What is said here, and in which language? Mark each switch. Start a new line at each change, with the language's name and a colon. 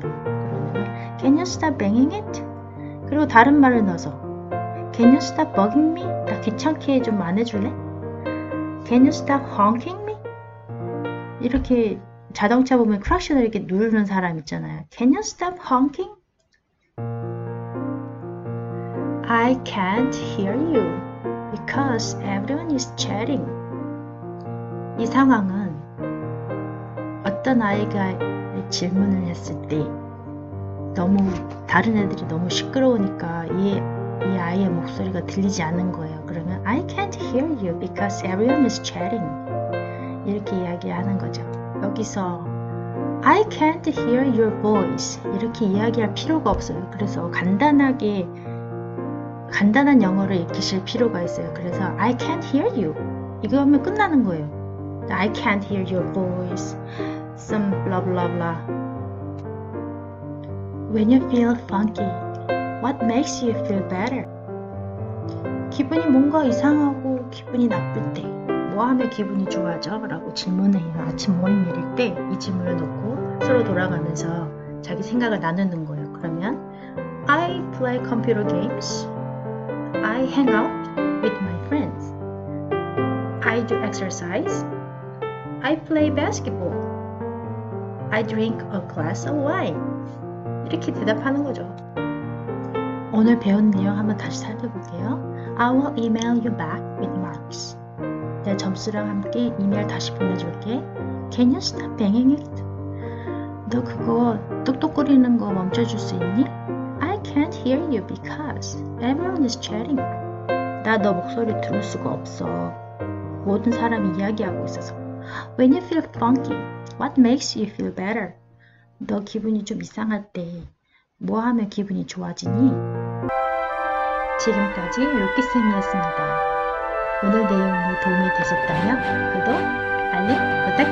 Korean: 그러면
English: Can you stop banging it?
Korean: 그리고 다른 말을 넣어서
English: Can you stop bugging me?
Korean: 나 귀찮게 좀안 해줄래?
English: Can you stop honking me?
Korean: 이렇게 자동차 보면 클락션을 이렇게 누르는 사람 있잖아요.
English: Can you stop honking? I can't hear you because everyone is chatting.
Korean: 이 상황은 어떤 아이가 질문을 했을 때 너무 다른 애들이 너무 시끄러우니까 이 아이의 목소리가 들리지 않는 거예요. 그러면
English: I can't hear you because everyone is chatting.
Korean: 이렇게 이야기하는 거죠. 여기서
English: I can't hear your voice.
Korean: 이렇게 이야기할 필요가 없어요. 그래서 간단한 영어를 익히실 필요가 있어요. 그래서
English: I can't hear you.
Korean: 이거 하면 끝나는 거예요.
English: I can't hear your voice. Some blah blah blah. When you feel funky, what makes you feel better?
Korean: 기분이 뭔가 이상하고 기분이 나쁠 때, 뭐 하면 기분이 좋아져? 라고 질문해요. 아침 모닝 일일 때이 질문을 놓고 서로 돌아가면서 자기 생각을 나누는 거예요. 그러면
English: I play computer games. I hang out with my friends. I do exercise. I play basketball. I drink a glass of wine.
Korean: 이렇게 대답하는 거죠. 오늘 배운 내용 한번 다시 살펴볼게요.
English: I will email you back with marks.
Korean: 내 점수랑 함께 이메일 다시 보내줄게.
English: Can you stop banging it?
Korean: 너 그거 똑똑거리는 거 멈춰줄 수 있니?
English: I can't hear you because everyone is chatting.
Korean: 나너 목소리 들을 수가 없어. 모든 사람이 이야기하고 있어서.
English: When you feel funky, what makes you feel better?
Korean: 너 기분이 좀 이상할 때뭐 하면 기분이 좋아지니? 지금까지 루키쌤이었습니다. 오늘 내용이 도움이 되셨다면 구독, 알림 부탁드립니다.